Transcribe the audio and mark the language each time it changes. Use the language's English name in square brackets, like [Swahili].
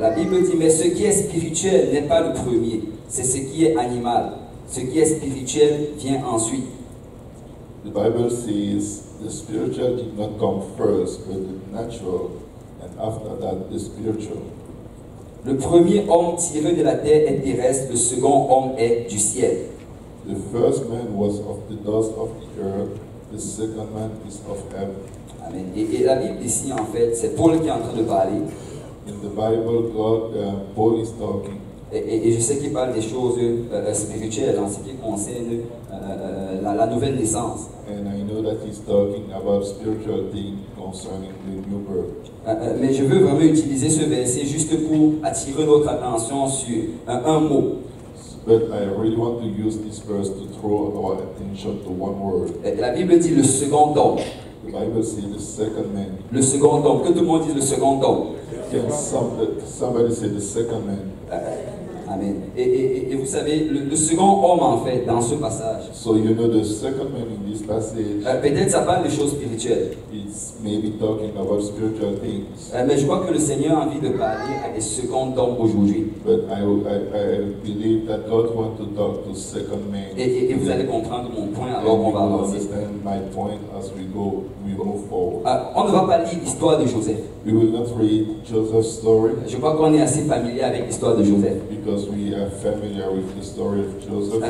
[French] La Bible dit, mais ce qui est spirituel n'est pas le premier, c'est ce qui est animal. Ce qui est spirituel vient ensuite. [English] The Bible says the spiritual did not come first, but the natural, and after that the spiritual. [French] Le premier homme tiré de la terre est terrestre, le second homme est du ciel. [English] The first man was of the dust of the earth, the second man is of heaven. Amen. [French] Et la Bible ici en fait, c'est Paul qui est en train de parler. [English] In the Bible, God, Paul is talking. [French] Et je sais qu'il parle des choses spirituelles en ce qui concerne la nouvelle naissance. [English] And I know that he's talking about spiritual things concerning the new birth. [French] Mais je veux vraiment utiliser ce verset juste pour attirer votre attention sur un mot. [English] But I really want to use this verse to throw our attention to one word. [French] La Bible dit le second homme. [English] The Bible says the second man. [French] Le second homme. Que tout le monde dit le second homme. [English] Can somebody say the second man? Amen. [French] Et vous savez, le second homme, en fait, dans ce passage. [English] So you know the second man in this passage. [French] Peut-être ça parle de choses spirituelles. [English] It's maybe talking about spiritual things. [French] Mais je crois que le Seigneur a envie de parler à des second hommes aujourd'hui. [English] But I believe that God wants to talk to second men. [French] Et vous allez comprendre mon point alors qu'on va avancer. [English] Understand my point as we move forward. [French] On ne va pas lire l'histoire de Joseph. [English] We will not read Joseph's story. [French] Je crois qu'on est assez familier avec l'histoire de Joseph. [English] Because we are familiar with the story of Joseph.